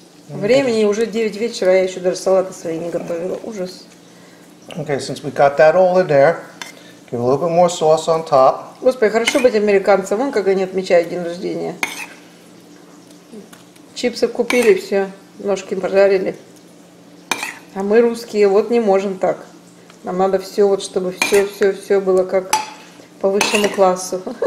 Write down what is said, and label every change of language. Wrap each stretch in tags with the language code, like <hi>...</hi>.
<ru>Времени уже 9 вечера, я еще даже салаты свои не готовила. Ужас.</ru> <en>Okay, since we got that all in there, give a little bit more sauce on top.</en> <ru>Господи, хорошо быть американцем, вон как они отмечают день рождения. Чипсы купили, все, ножки пожарили. А мы русские, вот не можем так. Нам надо все, вот чтобы все было как по высшему классу.</ru>